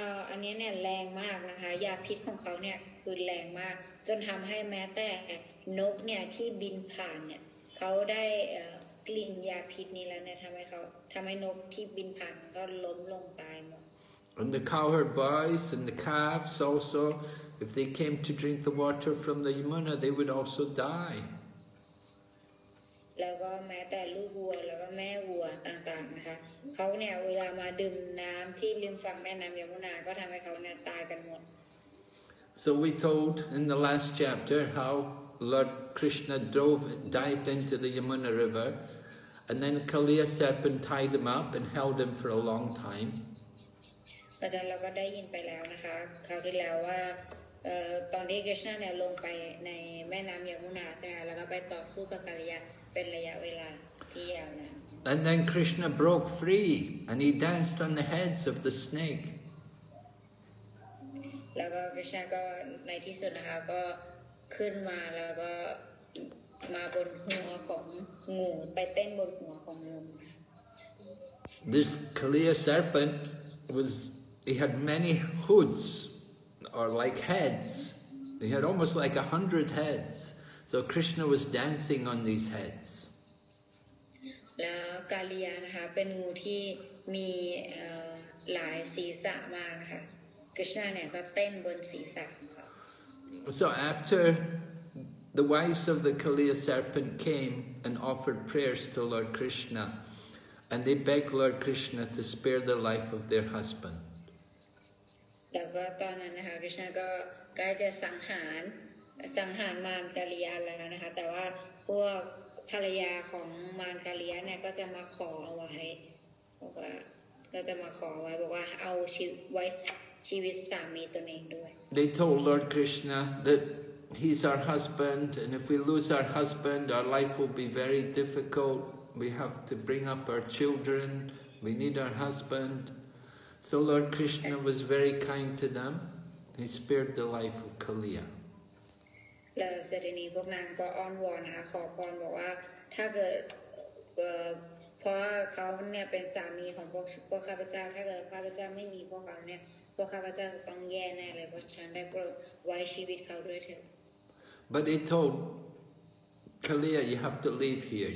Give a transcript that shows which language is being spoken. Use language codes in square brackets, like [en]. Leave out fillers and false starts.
[th] อันนี้เนี่ยแรงมากนะคะยาพิษของเขาเนี่ยคือแรงมากจนทำให้แม้แต่นกเนี่ยที่บินผ่านเนี่ยเขาได้กลิ่นยาพิษนี้แล้วเนี่ยทำให้นกที่บินผ่านก็ล้มลงตายหมด [en] And the cowherd boys and the calves also, if they came to drink the water from the Yamuna, they would also die. [th] แล้วก็แม้แต่ลูกวัวแล้วก็แม่วัวต่างๆนะคะเขาเนี่ยเวลามาดื่มน้ำที่ริมฝั่งแม่น้ำยมุนาก็ทำให้เขาเนี่ยตายกันหมด [en] So we told in the last chapter howLord Krishna dived into the Yamuna River and then Kaliya serpent tied him up and held him for a long time. [th] แต่เราก็ได้ยินไปแล้วนะคะคราวที่แล้วว่าตอนที่ Krishna เนี่ยลงไปในแม่น้ำยมุนาใช่ไหมแล้วก็ไปต่อสู้กับกาลียะเป็นระยะเวลาที่ยาวนาน [en] And then Krishna broke free and he danced on the heads of the snake. [th] แล้วก็ Krishna ก็ในที่สุดนะคะก็ขึ้นมาแล้วก็มาบนหัวของงูไปเต้นบนหัวของงู [en] This Kaliya serpent was he had many hoods or like heads he had almost like 100 heads so Krishna was dancing on these heads [th] แล้วกาลียะนะคะเป็นงูที่มีหลายศีรษะมากค่ะ Krishna เนี่ยก็เต้นบนศีรษะ [en] So after the wives of the Kaliya serpent came and offered prayers to Lord Krishna and they begged Lord Krishna to spare the life of their husband. [th] แล้วก็ตอนนั้นนะคะ Krishna ก็ใกล้จะสังหารมารกาลียะแล้วนะคะแต่ว่าพวก ภรรยาของมารกาเลียเนี่ยก็จะมาขอเอาไว้บอกว่าก็จะมาขอไว้บอกว่าเอาชีวิตสามีตนเองด้วย [en] They told Lord Krishna that he's our husband and if we lose our husband our life will be very difficult we have to bring up our children we need our husband so Lord Krishna was very kind to them he spared the life of Kaliya But they told Kaliya, you have to leave here.